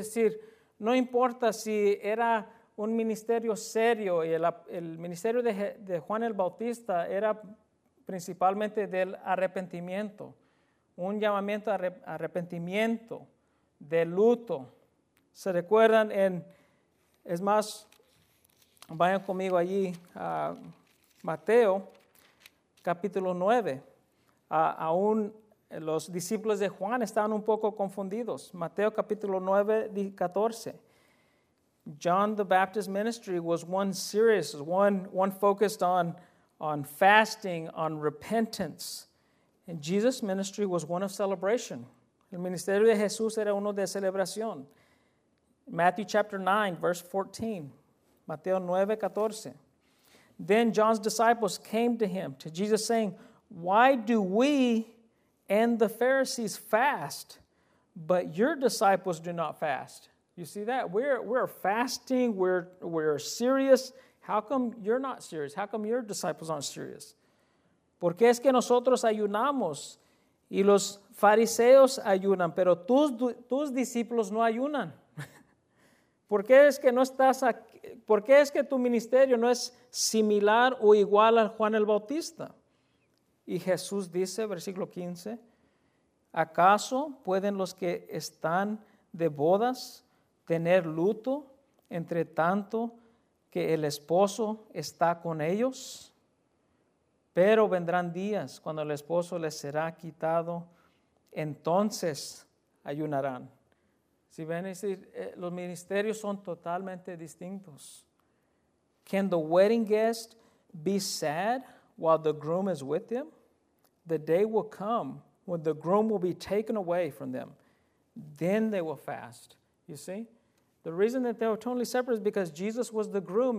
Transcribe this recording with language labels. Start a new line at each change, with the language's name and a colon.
Spanish: Es decir, no importa si era un ministerio serio, y el ministerio de Juan el Bautista era principalmente del arrepentimiento, un llamamiento a arrepentimiento, de luto. ¿Se recuerdan? Es más, vayan conmigo allí a Mateo, capítulo 9, aún los discípulos de Juan estaban un poco confundidos. Mateo, capítulo 9, 14.
English: John the Baptist ministry was one serious, one focused on fasting, on repentance. And Jesus' ministry was one of celebration.
Spanish: El ministerio de Jesús era uno de celebración.
English: Matthew, chapter 9, verse 14. Mateo 9, 14. Then John's disciples came to him, to Jesus, saying, why do we and the Pharisees fast, but your disciples do not fast? You see that? We're fasting. We're serious. How come you're not serious? How come your disciples aren't serious?
Spanish: ¿Por qué es que nosotros ayunamos y los fariseos ayunan, pero tus discípulos no ayunan? ¿Por qué es que no estás aquí? ¿Por qué es que tu ministerio no es similar o igual a Juan el Bautista? Y Jesús dice, versículo 15, ¿acaso pueden los que están de bodas tener luto entre tanto que el esposo está con ellos? Pero vendrán días cuando el esposo les será quitado, entonces ayunarán. Si ven, los ministerios son totalmente distintos.
English: Can the wedding guest be sad while the groom is with them? The day will come when the groom will be taken away from them. Then they will fast. You see? The reason that they were totally separate is because Jesus was the groom.